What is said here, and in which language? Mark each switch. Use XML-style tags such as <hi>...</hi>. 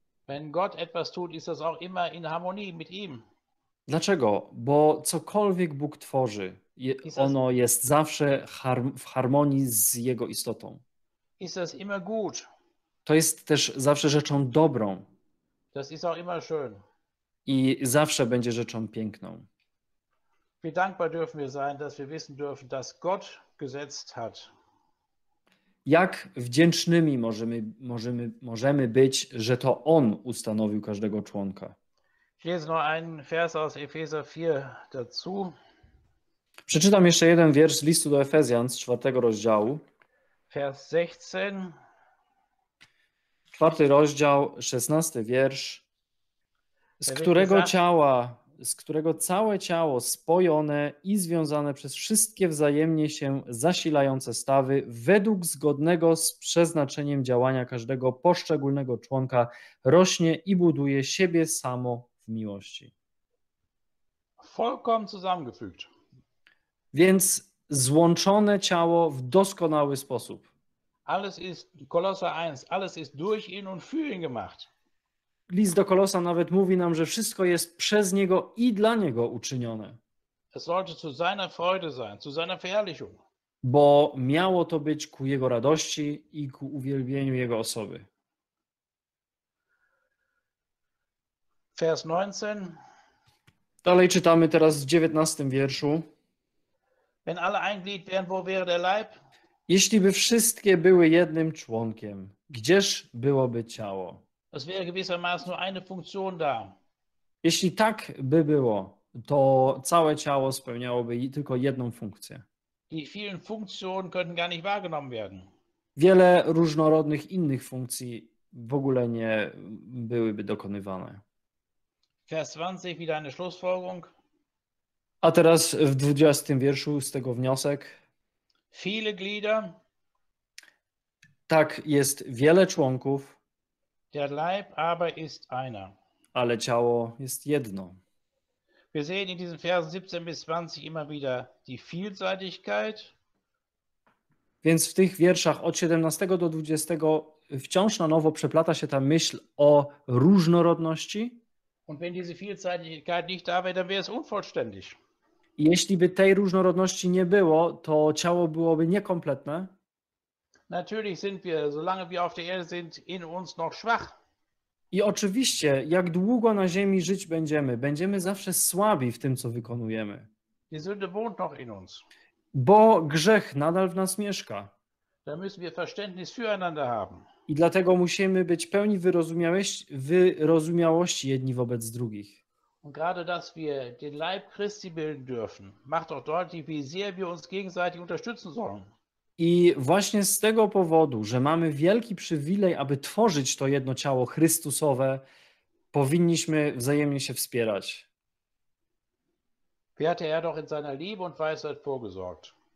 <de>Wenn Gott etwas tut, ist das auch immer in Harmonie mit ihm.</de> <pl>Dlaczego? Bo cokolwiek Bóg tworzy, ono jest zawsze w harmonii z jego istotą.</pl> <de>Ist das immer gut.</de> <pl>To jest też zawsze rzeczą dobrą.</pl> <de>Das ist auch immer schön.</de> <pl>I zawsze będzie rzeczą piękną.</pl> <de>Wie dankbar dürfen wir sein, dass wir wissen dürfen, dass Gott gesetzt hat.</de> <pl>Jak wdzięcznymi możemy być, że to On ustanowił każdego członka.</pl> <de>Ich lese noch einen Vers aus Epheser 4 dazu.</de> <pl>Przeczytam jeszcze jeden wiersz z listu do Efezjan z 4 rozdziału.</pl> <de>Vers 16.</de> <pl>4 rozdział, 16 wiersz. Z którego ciała, z którego całe ciało spojone i związane przez wszystkie wzajemnie się zasilające stawy, według zgodnego z przeznaczeniem działania każdego poszczególnego członka, rośnie i buduje siebie samo w miłości.</pl> <de>Vollkommen zusammengefügt.</de> <pl>Więc złączone ciało w doskonały sposób.</pl> <de>Alles ist Kolosser 1, alles ist durch ihn und für ihn gemacht.</de> <pl>List do Kolosa nawet mówi nam, że wszystko jest przez Niego i dla Niego uczynione.</pl> <de>Es sollte zu seiner Freude sein, zu seiner Verherrlichung.</de> <pl>Bo miało to być ku Jego radości i ku uwielbieniu Jego osoby.</pl> <de>Vers 19.</de> <pl>Dalej czytamy teraz w 19 wierszu.</pl> <de>Wenn alle ein Glied wären, wo wäre der Leib?</de> <pl>Jeśli by wszystkie były jednym członkiem, gdzież byłoby ciało?</pl> <de>Es wäre gewissermaßen nur eine Funktion da.</de> <pl>Jeśli tak by było, to całe ciało spełniałoby tylko jedną funkcję.</pl> <de>Die vielen Funktionen könnten gar nicht wahrgenommen werden.</de> <pl>Wiele różnorodnych innych funkcji w ogóle nie byłyby dokonywane.</pl> <de>Vers 20, wieder eine Schlussfolgerung.</de> <pl>A teraz w 20 wierszu z tego wniosek.</pl> <de>Viele Glieder.</de> <pl>Tak, jest wiele członków.</pl> <de>Der Leib aber ist einer.</de> <pl>Ale ciało jest jedno.</pl> <de>Wir sehen in diesen Versen 17 bis 20 immer wieder die Vielseitigkeit.</de> <pl>Więc w tych wierszach od 17 do 20 wciąż na nowo przeplata się ta myśl o różnorodności.</pl> <de>Und wenn diese Vielseitigkeit nicht da wäre, dann wäre es unvollständig.</de> <pl>Jeśli by tej różnorodności nie było, to ciało byłoby niekompletne.</pl> <de>Natürlich sind wir, solange wir auf der Erde sind, in uns noch schwach.</de> <pl>I oczywiście, jak długo na ziemi żyć będziemy, będziemy zawsze słabi w tym, co wykonujemy.</pl> <de>Die Sünde wohnt noch in uns.</de> <pl>Bo grzech nadal w nas mieszka.</pl> <de>Da müssen wir Verständnis füreinander haben.</de> <pl>I dlatego musimy być pełni wyrozumiałości jedni wobec drugich.</pl> <de>Und gerade, dass wir den Leib Christi bilden dürfen, macht auch deutlich, wie sehr wir uns gegenseitig unterstützen sollen.</de> <pl>I właśnie z tego powodu, że mamy wielki przywilej, aby tworzyć to jedno ciało Chrystusowe, powinniśmy wzajemnie się wspierać.</pl> <de>Wie hatte er doch in seiner Liebe und Weisheit vorgesorgt.</de>